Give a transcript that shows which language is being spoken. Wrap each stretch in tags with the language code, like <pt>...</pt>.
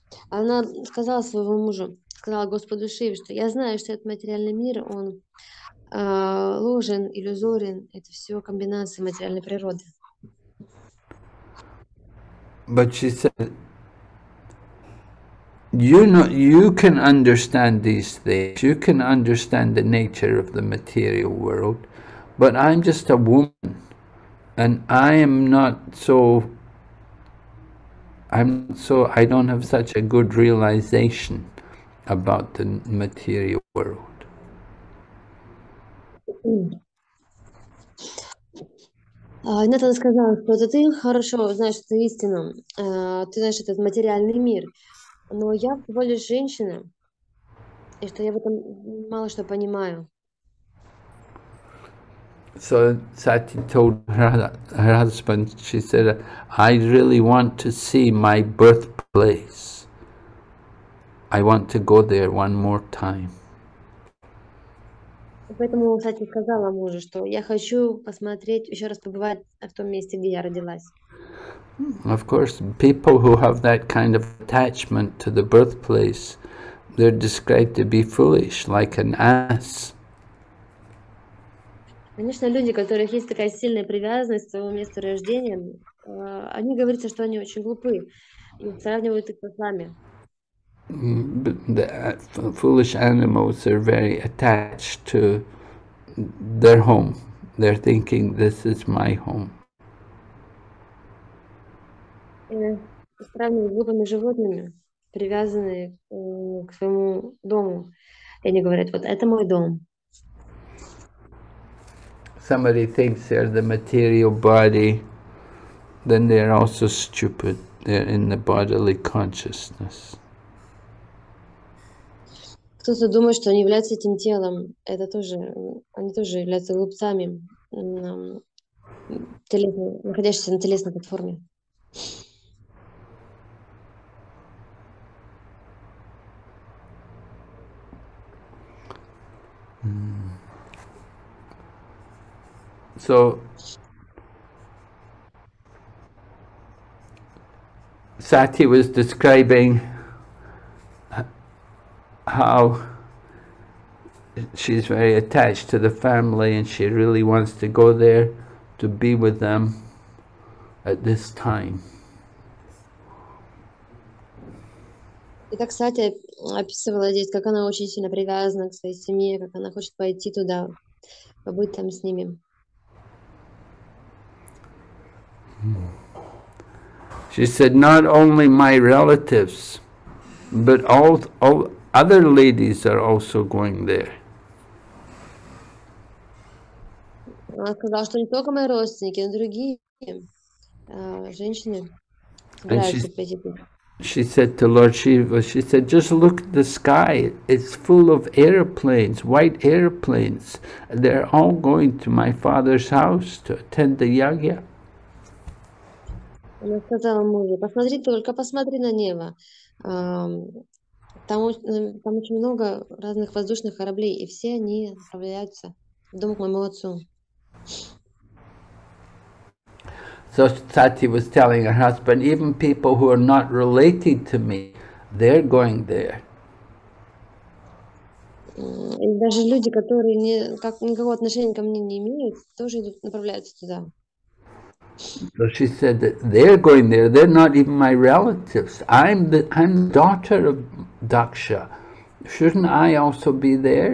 <ru>Она сказала своему мужу, сказала Господу Шиве, что я знаю, что этот материальный мир, он ложен, иллюзорен, это все комбинация материальной природы.</ru> <en>But she said, you know, you can understand these things, you can understand the nature of the material world, but I'm just a woman, and I'm not so, I don't have such a good realization about the material world.</en> <ru>Натан сказал, что это ты хорошо знаешь эту истину, ты знаешь этот материальный мир, но я всего лишь женщина, и что я в этом мало что понимаю.</ru> <en>So Sati told her husband, she said, I really want to see my birthplace. I want to go there one more time.</en> <ru>Поэтому он, кстати, сказала мужу, что я хочу посмотреть, еще раз побывать в том месте, где я родилась.</ru> <en>Of course, people who have that kind of attachment to the birthplace, they're described to be foolish, like an ass.</en> <ru>Конечно, люди, у которых есть такая сильная привязанность к своему месту рождения, они говорится, что они очень глупы, и сравнивают их с ослами.</ru> <en>The foolish animals are very attached to their home. They're thinking, this is my home.</en> <ru>Сравнивают с глупыми животными, привязанные к своему дому. И они говорят, вот это мой дом.</ru> <en>Somebody thinks they're the material body, then they're also stupid. They're in the bodily consciousness.</en> <ru>Кто-то думает, что они являются этим телом. Это тоже, они тоже являются глупцами, находящимися на телесной платформе.</ru> <en>Sati was describing how she's very attached to the family and she really wants to go there to be with them at this time.</en> <ru>И так Сати описывала здесь, как она очень сильно привязана к своей семье, как она хочет пойти туда, побыть там с ними.</ru> <en>She said, not only my relatives, but all other ladies are also going there.</en> <ru>Она сказала, что не только мои родственники, но и другие женщины.</ru> <en>And she said to Lord Shiva, she said, just look at the sky. It's full of airplanes, white airplanes. They're all going to my father's house to attend the yagya.</en> <ru>Она сказала мужу, посмотри, только посмотри на небо. Там очень много разных воздушных кораблей, и все они отправляются в дом к моему отцу.</ru> <en>So Sati was telling her husband, even people who are not related to me, they're going there.</en> <ru>И даже люди, которые не, как, никакого отношения ко мне не имеют, тоже идут, направляются туда.</ru> <en>So she said that they're going there. They're not even my relatives. I'm the daughter of Daksha. Shouldn't I also be there?</en>